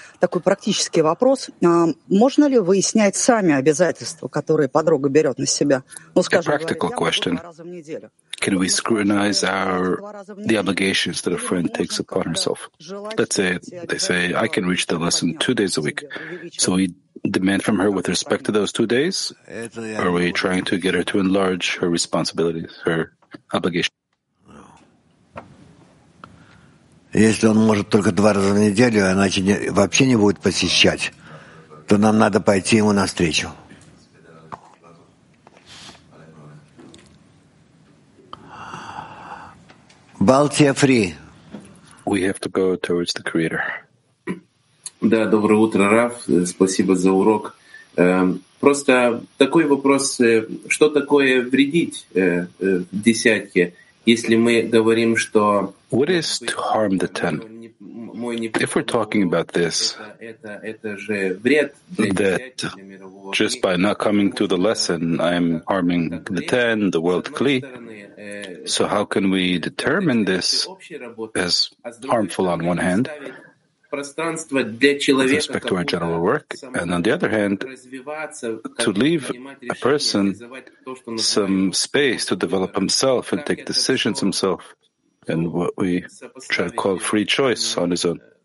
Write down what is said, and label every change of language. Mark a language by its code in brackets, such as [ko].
[ru] Такой практический вопрос. Можно ли выяснять сами обязательства, которые подруга берет на себя? Ну, скажем, [en] practical question. Can we scrutinize the obligations that a friend takes upon himself? Let's say they say, I can reach the lesson 2 days a week. So we demand from her with respect to those 2 days? Are we trying to get her to enlarge her responsibilities, her obligations? [ru] Если он может только 2 раза в неделю, а иначе вообще не будет посещать, то нам надо пойти ему навстречу. Балтия фри. [en] We have to go towards the creator. [ru] Да, доброе утро, Раф. Спасибо за урок. Просто такой вопрос, что такое вредить в десятке? [en] What is to harm the ten? If we're talking about this, that just by not coming to the lesson, I'm harming the ten, the world kli. So how can we determine this as harmful on one hand, with respect to our general work, and on the other hand, to leave a person some space to develop himself and take decisions himself, and what we try to call free choice on his own?